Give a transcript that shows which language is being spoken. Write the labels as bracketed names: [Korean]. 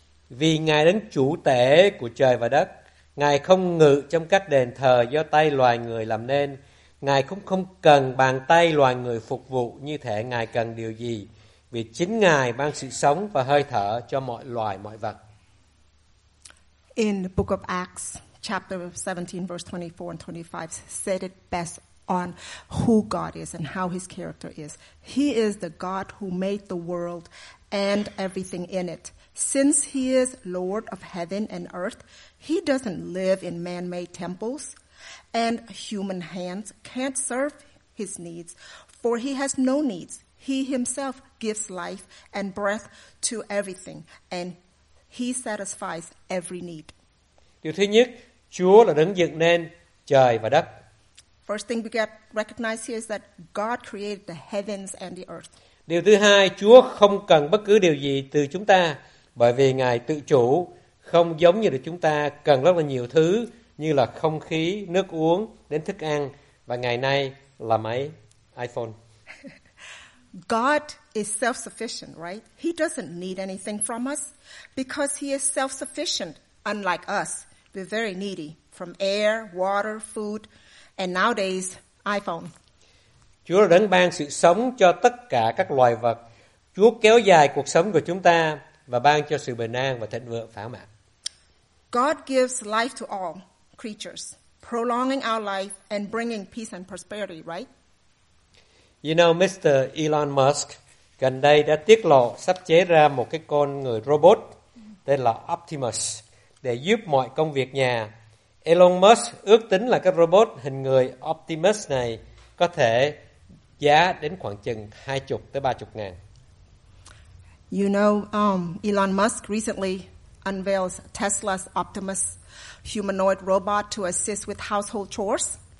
[Vietnamese] Vì Ngài đấng chủ tể của trời và đất, Ngài không ngự trong các đền thờ do tay loài người làm nên. Ngài cũng không cần bàn tay loài người phục vụ như thể Ngài cần điều gì, vì chính Ngài ban sự sống và hơi thở cho mọi loài mọi vật. [English] In the book of Acts, chapter 17, verse 24 and 25, said it best on who God is and how his character is. He is the God who made the world and everything in it. Since he is Lord of heaven and earth, he doesn't live in man-made temples, and human hands can't serve his needs, for he has no needs. He himself gives life and breath to everything, and he satisfies every need. [Vietnamese] Điều thứ nhất, Chúa là đấng dựng nên trời và đất. [English] First thing we get recognized here is that God created the heavens and the earth. [Vietnamese] Điều thứ hai, Chúa không cần bất cứ điều gì từ chúng ta, bởi vì Ngài tự chủ, không giống như là chúng ta cần rất là nhiều thứ như là không khí, nước uống, đến thức ăn và ngày nay là máy iPhone. [English] God is self-sufficient, right? He doesn't need anything from us because he is self-sufficient, unlike us. We're very needy from air, water, food. And nowadays, iPhone. [Vietnamese] Chúa đã đấng ban sự sống cho tất cả các loài vật. Chúa kéo dài cuộc sống của chúng ta và ban cho sự bình an và thịnh vượng phả mãn. [English] God gives life to all creatures, prolonging our life and bringing peace and prosperity, right? You know, Mr. [Vietnamese] Elon Musk gần đây đã tiết lộ sắp chế ra một cái con người robot tên là Optimus để giúp mọi công việc nhà. Elon Musk ước tính là cái robot hình người Optimus này có thể giá đến khoảng chừng 20 tới 30 ngàn. [English] You know, Elon Musk recently unveils Tesla's Optimus humanoid robot to assist with household chores.